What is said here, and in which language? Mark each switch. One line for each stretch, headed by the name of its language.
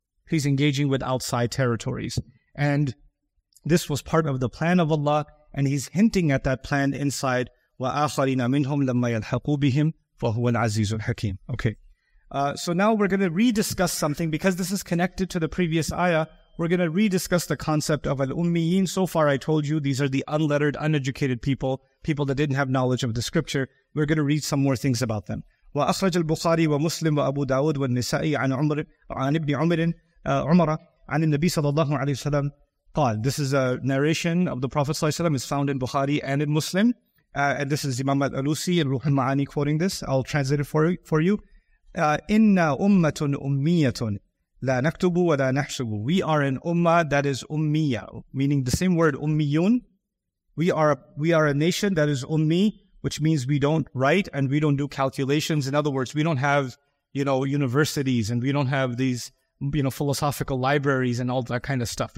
English: He's engaging with outside territories. And this was part of the plan of Allah, and he's hinting at that plan inside,
Arabic: وَآخَرِينَ مِنْهُمْ لَمَّا يَلْحَقُوا بِهِمْ فَهُوَ الْعَزِيزُ الْحَكِيمُ.
English: Okay. So now we're going to rediscuss something, because this is connected to the previous ayah. We're going to rediscuss the concept of al-ummiyin. So far I told you, these are the unlettered, uneducated people, people that didn't have knowledge of the scripture. We're going to read some more things about them.
Arabic: وأخرج البخاري ومسلم وأبو داود والنسائي عن عمر عن ابن عمر عمر عن النبي صلى الله عليه وسلم قال.
English: This is a narration of the Prophet
Arabic: صلى الله عليه وسلم.
English: It's found in Bukhari and in Muslim. And this is Imam al-Alusi and Ruh al-Ma'ani quoting this. I'll translate it for you.
Arabic: إن أمة أمية لا نكتب ولا نحسب.
English: We are an ummah that is ummiya, meaning the same word ummiyun. We are a nation that is ummi, which means we don't write and we don't do calculations. In other words, we don't have, you know, universities, and we don't have these, you know, philosophical libraries and all that kind of stuff.